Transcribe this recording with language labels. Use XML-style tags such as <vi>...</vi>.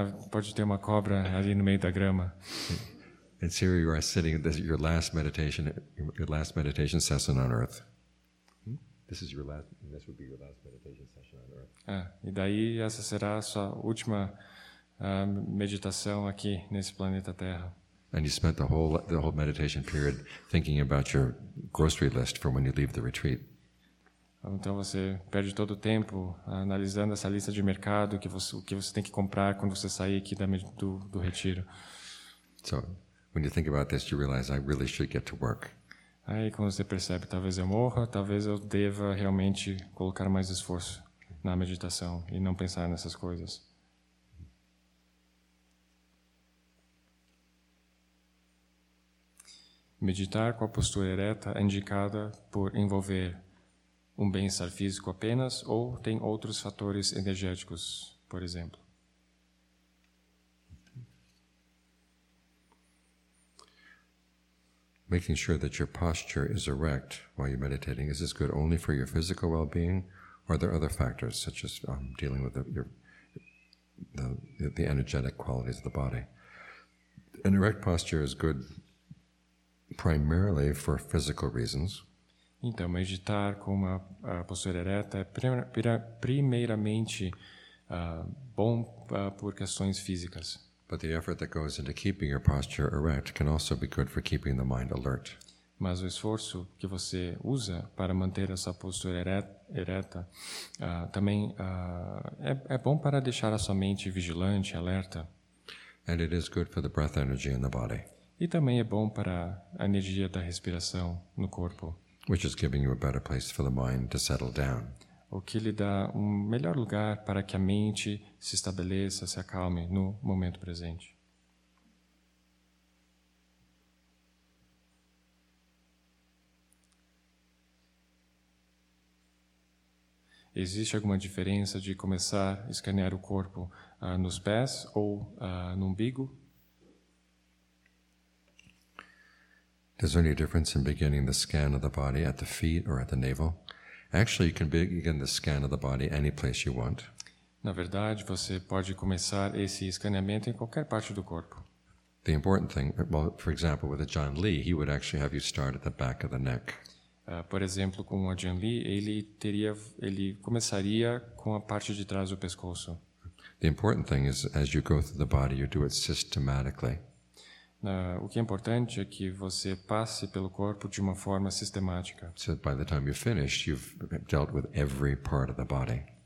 <pt>pode ter uma cobra ali no meio da grama.</pt> <en>And here you are sitting at your last meditation session on earth. This is your last. And this would be your last meditation session on earth.</en> <pt>Ah, e daí essa será a sua última meditação aqui nesse planeta Terra.</pt> <en>And you spent the whole meditation period thinking about your grocery list for when you leave the retreat.</en> <pt>Então você perde todo o tempo analisando essa lista de mercado que você tem que comprar quando você sair aqui do retiro.</pt> <en>So, when you think about this, you realize I really should get to work.</en> <pt>Aí quando você percebe, talvez eu morra, talvez eu deva realmente colocar mais esforço na meditação e não pensar nessas coisas. Meditar com a postura ereta é indicada por envolver um bem-estar físico apenas ou tem outros fatores energéticos, por exemplo?</pt> <en>Making sure that your posture is erect while you're meditating, is this good only for your physical well-being, or are there other factors such as dealing with the energetic qualities of the body? An erect posture is good primarily for physical reasons.</en> <pt>Então, meditar com a postura ereta é primeiramente bom por questões físicas.</pt> <en>But the effort that goes into keeping your posture erect can also be good for keeping the mind alert.</en> <pt>Mas o esforço que você usa para manter essa postura ereta também é bom para deixar a sua mente vigilante, alerta.</pt> <en>And it is good for the breath energy in the body.</en> <pt>E também é bom para a energia da respiração no corpo.</pt> <en>Which is giving you a better place for the mind to settle down.</en> <pt>O que lhe dá um melhor lugar para que a mente se estabeleça, se acalme no momento presente. Existe alguma diferença de começar a escanear o corpo nos pés ou no umbigo?</pt> <en>Is there any difference in beginning the scan of the body at the feet or at the navel? Actually, you can begin the scan of the body any place you want.</en> <pt>Na verdade, você pode começar esse escaneamento em qualquer parte do corpo.</pt> <en>The important thing, well, for example, with a John Lee, he would actually have you start at the back of the neck.</en> <pt>Por exemplo, com o John Lee, ele começaria com a parte de trás do pescoço.</pt> <en>The important thing is, as you go through the body, you do it systematically.</en> <pt>O que é importante é que você passe pelo corpo de uma forma sistemática.</pt> <en>So by the time you're finished, you've dealt with every part of the body.</en>